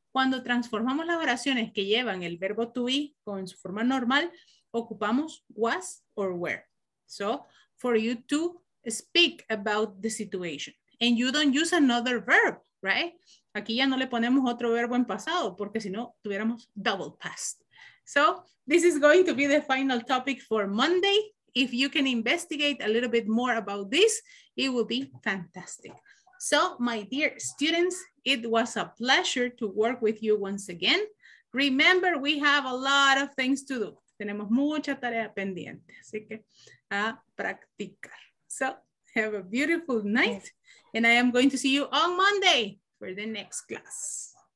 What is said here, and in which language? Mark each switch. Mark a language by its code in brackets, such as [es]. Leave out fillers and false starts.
[es] Cuando transformamos las oraciones que llevan el verbo to be con su forma normal, ocupamos was or were. [en] So for you to speak about the situation and you don't use another verb, right? [es] Aquí ya no le ponemos otro verbo en pasado porque si no tuviéramos double past. [en] So this is going to be the final topic for Monday. If you can investigate a little bit more about this, it will be fantastic. So, my dear students, it was a pleasure to work with you once again. Remember, we have a lot of things to do. [es] Tenemos mucha tarea pendiente, así que a practicar. [en] So, have a beautiful night, and I am going to see you on Monday for the next class.